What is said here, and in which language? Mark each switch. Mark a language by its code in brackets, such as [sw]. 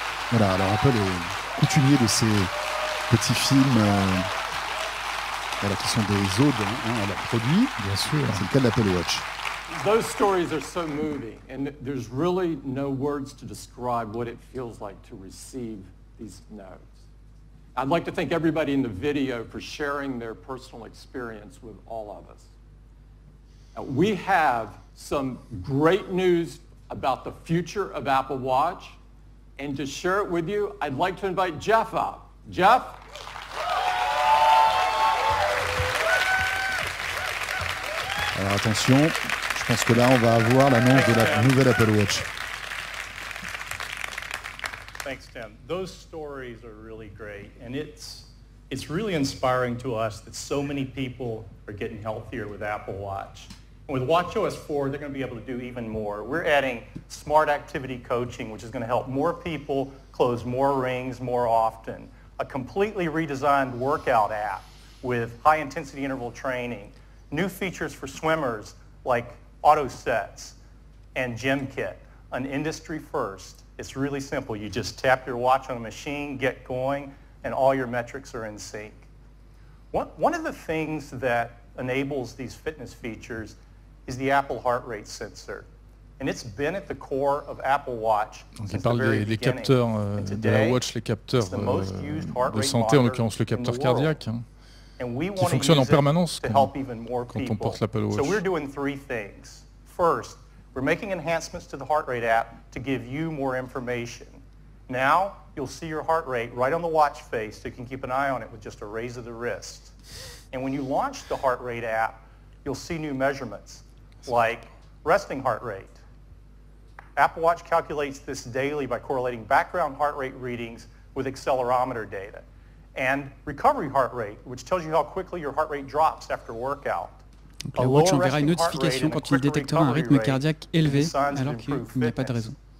[fr] Voilà, alors un peu le coutumier de ces petits films. Voilà, qui sont des odes hein, à leurs produits, bien sûr. C'est le cas de l'Apple Watch. [en] Those stories are so moving, and there's really no words to describe what it feels like to receive these notes. I'd like to thank everybody in the video for sharing their personal experience with all of us. Now, we have some great news about the future of Apple Watch, and to share it with you, I'd like to invite Jeff up. Jeff? [fr] Alors attention, je pense que là on va avoir l'annonce de la nouvelle Apple Watch. [en] Thanks, Tim. Those stories are really great, and it's really inspiring to us that so many people are getting healthier with Apple Watch. And with watchOS 4, they're going to be able to do even more. We're adding smart activity coaching, which is going to help more people close more rings more often. A completely redesigned workout app with high-intensity interval training. New features for swimmers like auto sets and gym kit, an industry first. It's really simple. You just tap your watch on a machine, get going, and all your metrics are in sync. One of the things that enables these fitness features is the Apple heart rate sensor. And it's been at the core of Apple Watch since the very beginning. [fr] Les capteurs, [en] today, [fr] de la watch, les capteurs, [en] it's the most used heart rate monitor in the world. [fr] qui fonctionne en permanence quand on porte l'Apple Watch. [en] So we're doing three things. First, we're making enhancements to the heart rate app to give you more information. Now, you'll see your heart rate right on the watch face, so you can keep an eye on it with just a raise of the wrist. And when you launch the heart rate app, you'll see new measurements, like resting heart rate. Apple Watch calculates this daily by correlating background heart rate readings with accelerometer data. And recovery heart rate, which tells you how quickly your heart rate drops after workout. [fr] La Watch enverra une notification quand il détectera un rythme cardiaque élevé, alors qu'il n'y a pas de raison.